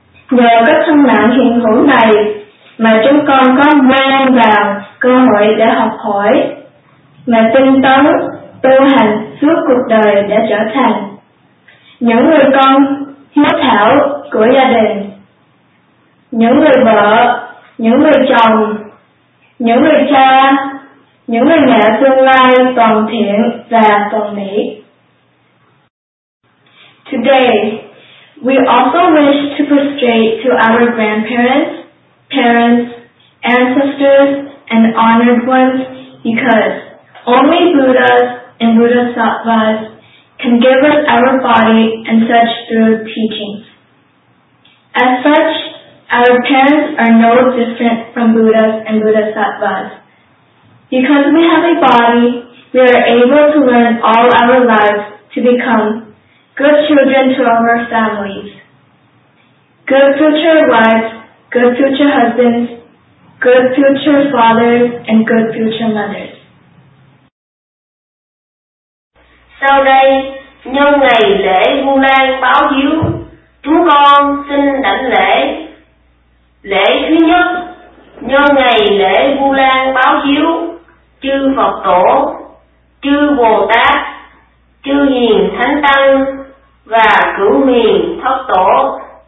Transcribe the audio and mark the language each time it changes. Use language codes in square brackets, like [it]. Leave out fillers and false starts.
[vi] Nhờ các thân mạng hiện hữu này mà chúng con có mang vào cơ hội để học hỏi, mà tinh tấn tu hành suốt cuộc đời đã trở thành những người con hiếu thảo của gia đình, những người vợ, những người chồng, những người cha, những người mẹ tương lai toàn thiện và toàn mỹ. [en] Today, we also wish to prostrate to our grandparents, parents, ancestors, and honored ones because only Buddhas and Buddhasattvas can give us our body and such through teachings. As such, our parents are no different from Buddhas and Buddhasattvas. Because we have a body, we are able to learn all our lives to become good children to our families, good future wives, good future husbands, good future fathers, and good future mothers. [vi] Sau đây, nhân ngày lễ Vu Lan báo hiếu, chúng con xin đảnh lễ. Lễ thứ nhất, nhân ngày lễ Vu Lan báo hiếu, chư Phật Tổ, chư Bồ Tát, chư Hiền Thánh Tăng và Cửu Hiền Thất Tổ.